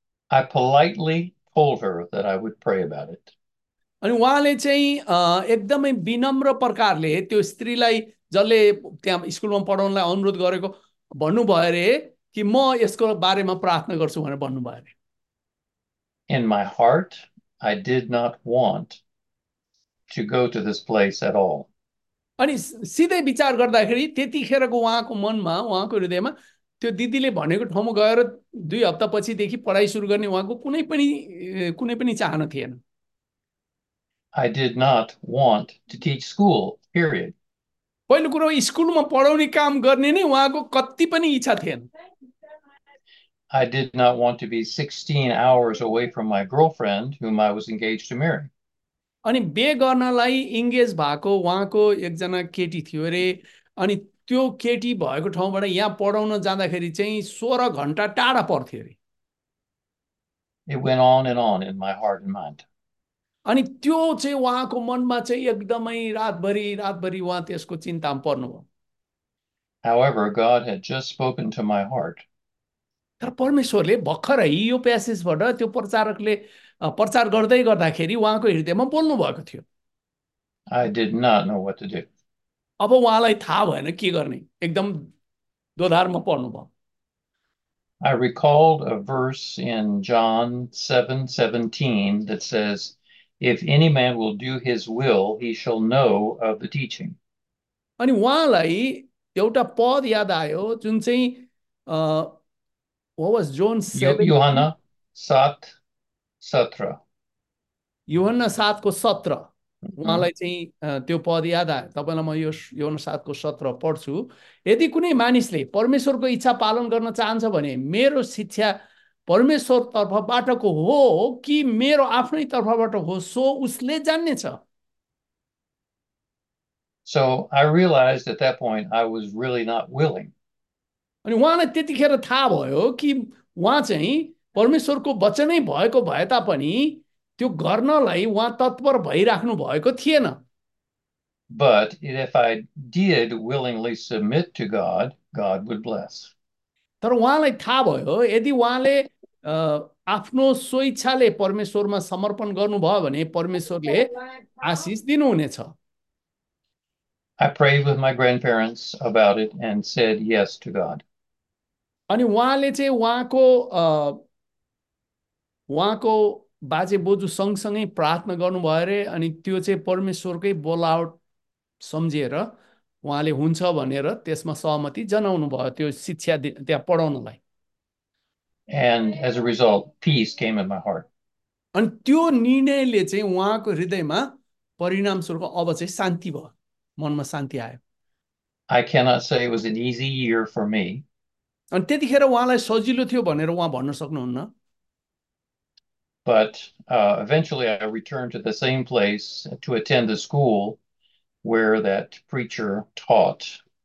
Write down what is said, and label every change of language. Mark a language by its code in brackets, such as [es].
[en] I politely told her that I would pray about it. [ne] अनि उहाँले चाहिँ एकदमै विनम्र प्रकारले त्यो स्त्रीलाई जसले त्यहाँ स्कुलमा पढाउनलाई अनुरोध गरेको भन्नुभयो अरे कि म यसको बारेमा प्रार्थना गर्छु भनेर भन्नुभयो अरे. [en] In my heart, I did not want to go to this place at all. [ne] अनि सिधै विचार गर्दाखेरि त्यतिखेरको उहाँको मनमा उहाँको हृदयमा त्यो दिदीले भनेको ठाउँमा गएर 2 हप्तापछिदेखि पढाइ सुरु गर्ने उहाँको कुनै पनि चाहना थिएन. [en] I did not want to teach school, period. [ne] पहिलो कुरो स्कुलमा पढाउने काम गर्ने नै उहाँको कति पनि इच्छा थिएन. [en] I did not want to be 16 hours away from my girlfriend, whom I was engaged to marry. [ne] अनि बे गर्नलाई इङ्गेज भएको उहाँको एकजना केटी थियो अरे अनि त्यो केटी भएको ठाउँबाट यहाँ पढाउन जाँदाखेरि चाहिँ 16 घन्टा टाढा पर्थ्यो अरे. [en] It went on and on in my heart and mind. [ne] अनि त्यो चाहिँ उहाँको मनमा चाहिँ एकदमै रातभरि उहाँ त्यसको चिन्तामा पर्नुभयो. [en] However, God had just spoken to my heart. [ne] तर परमेश्वरले भर्खरै यो प्यासेजबाट त्यो प्रचारकले प्रचार गर्दै गर्दाखेरि उहाँको हृदयमा बोल्नु भएको थियो. [en] I did not know what to do. [ne] अब उहाँलाई थाहा भएन के गर्ने एकदम दोधारमा पर्नुभयो. [en] I recalled a verse in John 7:17 that says, If any man will do his will, he shall know of the teaching. [ne] अनि उहाँलाई एउटा पद याद आयो जुन चाहिँ [en] was John seven [ne] योहन्ना सात सत्र योहन्न सातको सत्र उहाँलाई चाहिँ त्यो पद याद आयो. तपाईँलाई म यो योहन्न सातको सत्र पढ्छु. यदि कुनै मानिसले परमेश्वरको इच्छा पालन गर्न चाहन्छ भने मेरो शिक्षा परमेश्वरतर्फबाटको हो कि मेरो आफ्नै तर्फबाट हो सो उसले जान्नेछ. [en] So I realized at that point I was really not willing. [ne] अनि उहाँलाई त्यतिखेर थाहा भयो कि उहाँ चाहिँ परमेश्वरको वचनै भएको भए तापनि त्यो गर्नलाई उहाँ तत्पर भइराख्नु भएको थिएन. [en] But if I did willingly submit to God, God would bless. [ne] तर उहाँलाई थाहा भयो यदि उहाँले आफ्नो स्वेच्छाले परमेश्वरमा समर्पण गर्नुभयो भने परमेश्वरले आशिष दिनुहुनेछ. [en] I prayed with my grandparents about it and said yes to God. [ne] अनि उहाँले चाहिँ उहाँको उहाँको बाजे बोजू सँगसँगै प्रार्थना गर्नुभयो अरे. अनि त्यो चाहिँ परमेश्वरकै बोलावट सम्झिएर उहाँले हुन्छ भनेर त्यसमा सहमति जनाउनु भयो त्यो शिक्षा त्यहाँ पढाउनलाई. [en] And as a result, peace came in my heart. [ne] अनि त्यो निर्णयले चाहिँ उहाँको हृदयमा परिणामस्वरूप अब चाहिँ शान्ति भयो, मनमा शान्ति आयो. [en] I cannot say it was an easy year for me. [ne] अनि त्यतिखेर उहाँलाई सजिलो थियो भनेर उहाँ भन्न सक्नुहुन्न. [en] But eventually I returned to the same place to attend the school where that preacher taught.